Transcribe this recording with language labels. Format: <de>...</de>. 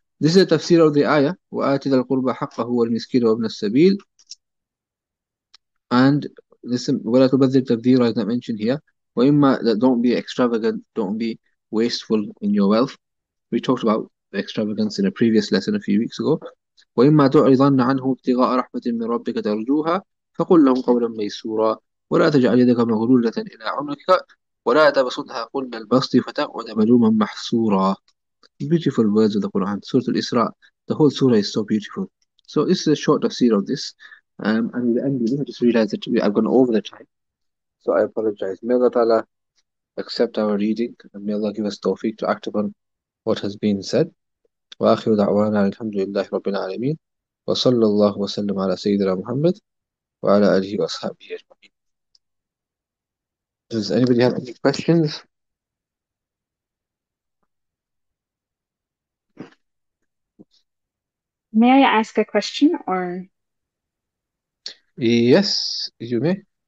<en>This is a tafsir of the ayah,</en> <ar>وآتِ ذا القربى حقه والمسكين وابن السبيل.</ar> <en>And listen,</en> <ar>ولا تبذر تبذيرا,</ar> <en>as I mentioned here. وإما, that don't be extravagant, don't be wasteful in your wealth. We talked about extravagance in a previous lesson a few weeks ago.</en> <ar>وإما تعرضن عنه ابتغاء رحمة من ربك ترجوها فقل لهم قولا ميسورا ولا تجعل يدك مغلولة إلى عنقك ولا تبسطها كل البسط فتقعد ملوما محصورا.</ar> <en>Beautiful words of the Quran, Surah Al-Isra. The whole surah is so beautiful. So this is a short tafsir of this. And in the end, we just realized that I've gone over the time. So I apologize. May Allah Ta'ala accept our reading and may Allah give us tawfiq to act upon what has been said.</en> <ar>وآخر دعوانا الحمد لله رب العالمين وصلى الله وسلم على سيدنا محمد وعلى آله وأصحابه أجمعين.</ar> <en>Does anybody have any questions? May I ask a question or? Yes, you may.</en>